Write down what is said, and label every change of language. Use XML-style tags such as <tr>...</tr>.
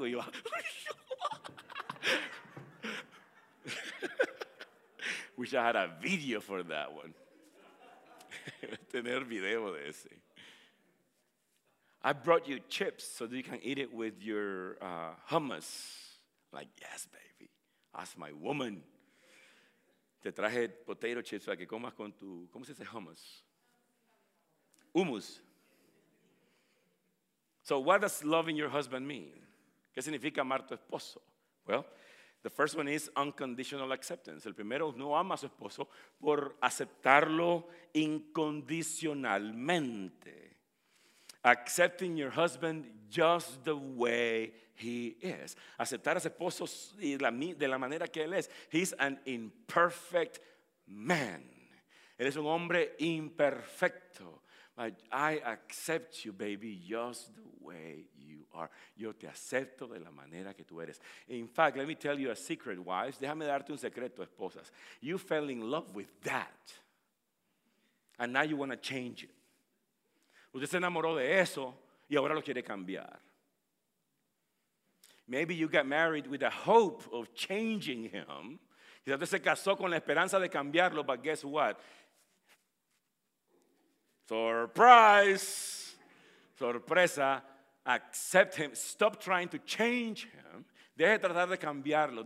<es>Y yo,</es> <en>wish I had a video for that one.</en> <es>Tener video de ese.</es> <en>I brought you chips so that you can eat it with your hummus. Like, yes, babe. As my woman.</en> <es>Te traje potato chips para que comas con tu, ¿cómo se dice hummus? Hummus.</es> <en>So what does loving your husband mean?</en> <es>¿Qué significa amar tu esposo?</es> <en>Well, the first one is unconditional acceptance.</en> <es>El primero, no ama a su esposo por aceptarlo incondicionalmente.</es> <en>Accepting your husband just the way he is.</en> <es>Aceptar a su esposo de la manera que él es.</es> <en>He's an imperfect man.</en> <es>Él es un hombre imperfecto.</es> <en>But I accept you, baby, just the way you are.</en> <es>Yo te acepto de la manera que tú eres.</es> <en>In fact, let me tell you a secret, wives.</en> <es>Déjame darte un secreto, esposas.</es> <en>You fell in love with that. And now you want to change it.</en> <es>Usted se enamoró de eso y ahora lo quiere cambiar.</es> <en>Maybe you got married with the hope of changing him.</en> <es>Quizás usted se casó con la esperanza de cambiarlo,</es> <en>but guess what? Surprise!</en> <es>Sorpresa.</es> <en>Accept him. Stop trying to change him.</en> <es>Deje de tratar de cambiarlo.</es>